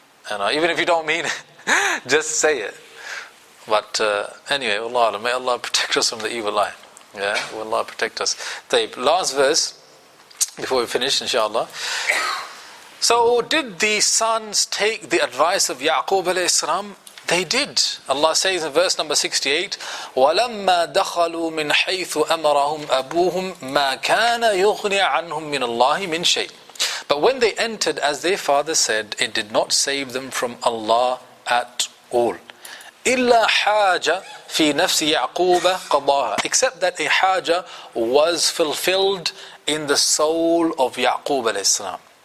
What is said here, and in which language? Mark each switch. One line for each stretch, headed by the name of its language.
English: And even if you don't mean it, just say it. But anyway, Allah, may Allah protect us from the evil eye. Yeah, may Allah protect us. Tayyib, last verse, before we finish, inshaAllah. So, did the sons take the advice of Ya'qub alayhi salam? They did. Allah says in verse number 68,
Arabic: وَلَمَّا دَخَلُوا مِنْ حَيْثُ أَمَرَهُمْ أَبُوهُمْ مَا كَانَ يُغْنِي عَنْهُمْ مِنَ اللَّهِ مِنْ شَيْءٍ.
English: But when they entered, as their father said, it did not save them from Allah at all.
Arabic: إِلَّا حَاجَ فِي نَفْسِ يَعْقُوبَ قَضَاهَا.
English: Except that a haja was fulfilled in the soul of Ya'qub alayhi salam.